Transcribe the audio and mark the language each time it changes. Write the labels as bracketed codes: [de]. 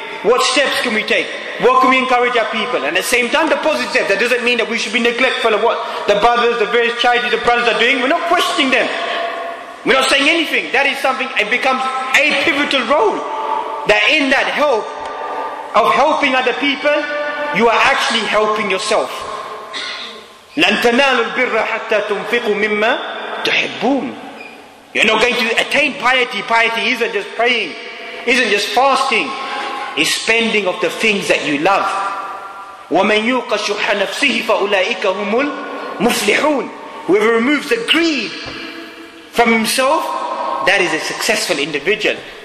[en] What steps can we take? What can we encourage our people? And at the same time, the positive steps. That doesn't mean that we should be neglectful of what the brothers, the various charities, the brothers are doing. We're not questioning them. We're not saying anything. That is something, it becomes a pivotal role. That in that help of helping other people, you are actually helping yourself. [ar] لَن تَنَالُ الْبِرَّ حَتَّى تُنْفِقُوا مِمَّا تُحِبُّونَ [en] You're not going to attain piety. Piety isn't just praying, isn't just fasting. It's spending of the things that you love. [ar] وَمَنْ يُوقَ شُحَّ نَفْسِهِ فَأُولَٰئِكَ هُمُ الْمُفْلِحُونَ [en] Whoever removes the greed from himself, that is a successful individual.